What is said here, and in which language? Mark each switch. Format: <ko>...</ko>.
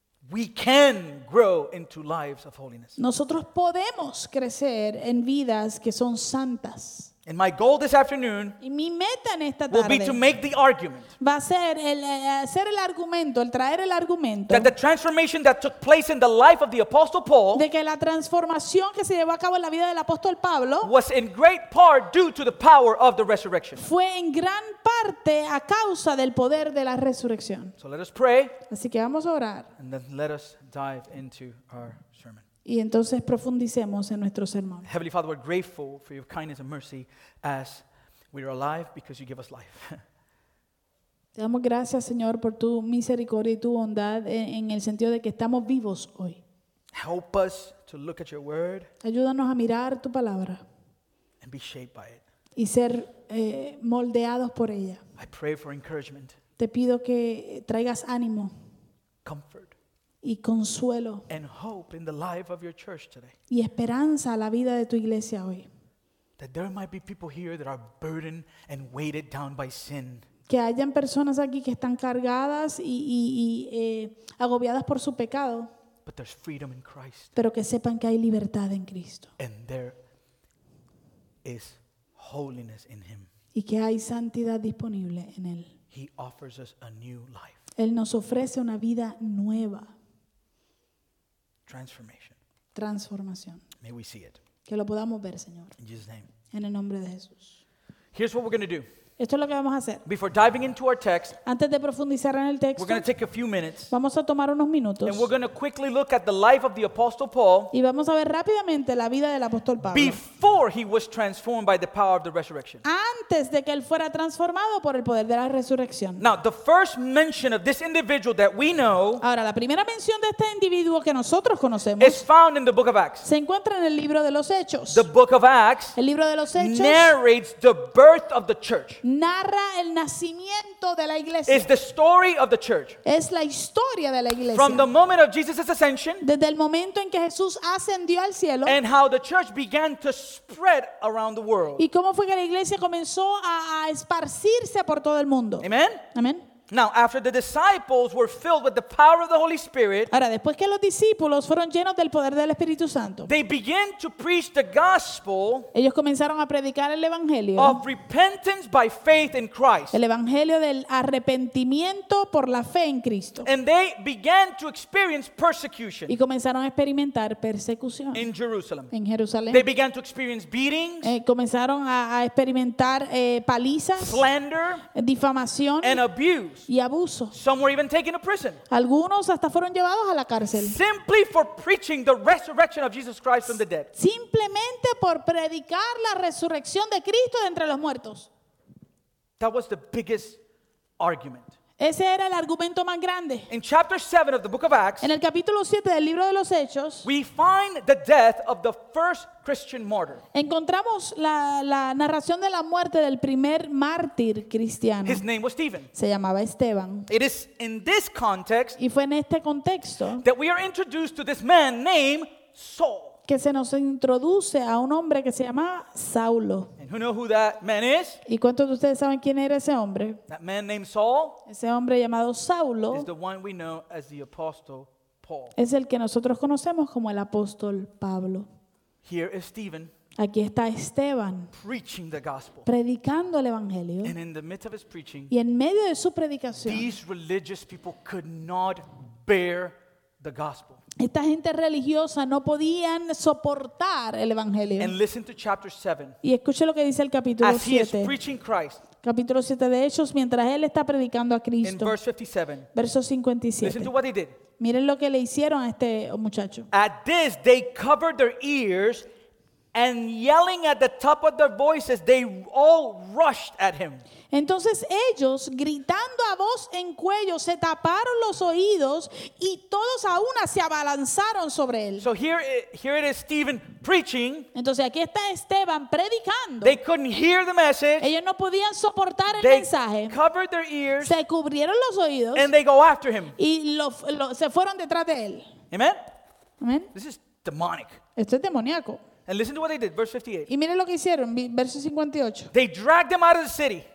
<en>We can grow into lives of holiness.</en> <es>Nosotros podemos crecer en vidas que son santas.</es> <en>And my goal this afternoon,</en> <es>y mi meta en esta tarde,</es> <en>will be to make the argument.</en> <es>Va a ser el hacer el argumento, el traer el argumento.</es> <en>That the transformation that took place in the life of the apostle Paul,</en> <es>de que la transformación que se llevó a cabo en la vida del apóstol Pablo,</es> <en>was in great part due to the power of the resurrection.</en> <es>Fue en gran parte a causa del poder de la resurrección.</es> <en>So let us pray.</en> <es>Así que vamos a orar.</es> <en>And then let us dive into our sermon.</en> <es>Y entonces profundicemos en nuestro sermón.</es> <en>Heavenly Father, we're grateful for your kindness and mercy as we are alive because you give us life.</en> <es>Te damos gracias, Señor, por tu misericordia y tu bondad en el sentido de que estamos vivos hoy.</es> <en>Help us to look at your word.</en> <es>Ayúdanos a mirar tu palabra.</es> <en>And be shaped by it.</en> <es>Y ser moldeados por ella.</es> <en>I pray for encouragement.</en> <es>Te pido que traigas ánimo.</es> <en>Comfort.</en> <es>y consuelo</es> <en>and hope in the life of your church today.</en> <es>Y esperanza a la vida de tu iglesia hoy.</es> <en>That there might be people here that are burdened and weighted down by sin.</en> <es>Que hayan personas aquí que están cargadas y agobiadas por su pecado.</es> <en>But there's freedom in Christ.</en> <es>Pero que sepan que hay libertad en Cristo.</es> <en>And there is holiness in Him.</en> <es>Y que hay santidad disponible en Él.</es> <en>He offers us a new life.</en> <es>Él nos ofrece una vida nueva.</es> <en>Transformation.</en> <es>Transformación.</es> <en>May we see it.</en> <es>Que lo podamos ver, Señor.</es> <en>In Jesus' name.</en> <es>En el nombre de Jesús.</es> <en>Here's what we're going to do.</en> <es>Esto es lo que vamos a hacer.</es> <en>Before diving into our text,</en> <es>antes de profundizar en el texto,</es> <en>we're going to take a few minutes,</en> <es>vamos a tomar unos minutos,</es> <en>and we're going to quickly look at the life of the Apostle Paul,</en> <es>y vamos a ver rápidamente la vida del apóstol Pablo,</es> <en>before he was transformed by the power of the resurrection.</en> <es>Antes de que él fuera transformado por el poder de la resurrección.</es> <en>Now, the first mention of this individual that we know,</en> <es>ahora la primera mención de este individuo que nosotros conocemos,</es> <en>is found in the book of Acts.</en> <es>Se encuentra en el libro de los Hechos.</es> <en>The book of Acts,</en> <es>el libro de los Hechos,</es> <en>narrates the birth of the church.</en> <es>Narra el nacimiento de la iglesia.</es> <en>It's the story of the church.</en> <es>Es la historia de la iglesia.</es> <en>From the moment of Jesus' ascension,</en> <es>desde el momento en que Jesús ascendió al cielo,</es> <en>and how the church began to spread around the world.</en> <es>Y cómo fue que la iglesia comenzó a esparcirse por todo el mundo.</es> <en>Amen.</en> <es>Amen.</es> <en>Now, after the disciples were filled with the power of the Holy Spirit,</en> <es>ahora, después que los discípulos fueron llenos del poder del Espíritu Santo,</es> <en>they began to preach the gospel,</en> <es>ellos comenzaron a predicar el evangelio,</es> <en>of repentance by faith in Christ,</en> <es>el evangelio del arrepentimiento por la fe en Cristo,</es> <en>and they began to experience persecution,</en> <es>y comenzaron a experimentar persecución</es> <en>in Jerusalem,</en> <es>en Jerusalén,</es> <en>they began to experience beatings,</en> <es>comenzaron a experimentar palizas,</es> <en>slander,</en> <es>difamación,</es> <en>and abuse.</en> <es>Y abuso.</es> <en>Some were even taken to prison.</en> <es>Algunos hasta fueron llevados a la cárcel.</es> <en>Simply for preaching the resurrection of Jesus Christ from the dead.</en> <es>Simplemente por predicar la resurrección de Cristo de entre los muertos.</es> <en>That was the biggest argument.</en> <es>Ese era el argumento más grande.</es> <en>In chapter 7 of the book of Acts,</en> <es>en el capítulo 7 del libro de los Hechos,</es> <en>we find the death of the first Christian martyr.</en> <es>Encontramos la narración de la muerte del primer mártir cristiano.</es> <en>His name was Stephen.</en> <es>Se llamaba Esteban.</es> <en>It is in this context,</en> <es>y fue en este contexto,</es> <en>that we are introduced to this man named Saul.</en> <es>Que se nos introduce a un hombre que se llama Saulo.</es> <en>And who know who that man is?</en> <es>¿Y cuántos de ustedes saben quién era ese hombre?</es> <en>That man named Saul,</en> <es>ese hombre llamado Saulo,</es> <en>is the one we know as the Apostle Paul.</en> <es>Es el que nosotros conocemos como el apóstol Pablo.</es> <en>Here is Stephen,</en> <es>aquí está Esteban,</es> <en>preaching the gospel,</en> <es>predicando el evangelio.</es> <en>And in the midst of his preaching,</en> <es>y en medio de su predicación,</es> <en>these religious people could not bear the gospel.</en> <es>Esta gente religiosa no podían soportar el evangelio.</es> <en>And listen to chapter 7.</en> <es>Y escuche lo que dice el capítulo 7.</es> <en>As he is preaching Christ.</en> <es>Capítulo 7 de Hechos, mientras él está predicando a Cristo.</es> <en>In verse 57.</en> <es>Verso 57.</es> <en>Listen to what he did.</en> <es>Miren lo que le hicieron a este muchacho.</es> <en>At this they covered their ears and yelling at the top of their voices they all rushed at him.</en> <es>Entonces ellos, gritando a voz en cuello, se taparon los oídos y todos a una se abalanzaron sobre él.</es> <en>So here it is, Stephen preaching.</en> <es>Entonces aquí está Esteban predicando.</es> <en>They couldn't hear the message.</en> <es>Ellos no podían soportar el</es> <en>they</en> <es>mensaje.</es> <en>They covered their ears.</en> <es>Se cubrieron los oídos.</es> <en>And they go after him.</en> <es>Y lo se fueron detrás de él.</es> <en>Amen.</en> <es>Amen.</es> <en>This is demonic.</en> <es>Esto es demoníaco.</es> <en>And listen to what they did, verse 58.</en> <es>Y miren lo que hicieron, verso 58.</es> <en>They dragged them out of the city.</en>